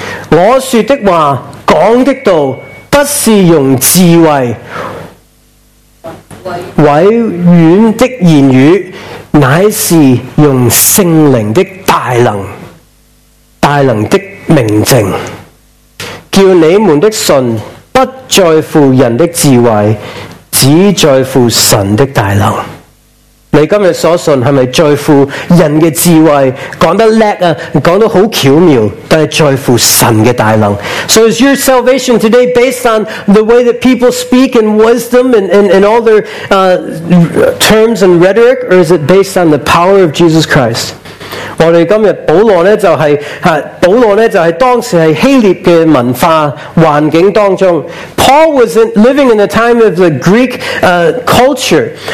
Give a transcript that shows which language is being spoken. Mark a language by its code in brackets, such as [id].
[zh] 我说的话讲的道不是用智慧委婉的言语，乃是用圣灵的大能的明证，叫你们的信不在乎人的智慧，只在乎神的大能。你今天所信是不是在乎人的智慧，讲得叻啊，讲得很巧妙，但是在乎神的大能。 [en] So is your salvation today based on the way that people speak and wisdom and all their terms and rhetoric, or is it based on the power of Jesus Christ? [zh] 我们今天保罗呢就是当时是希腊的文化环境当中。 [en] Paul was living in the time of the Greek culture.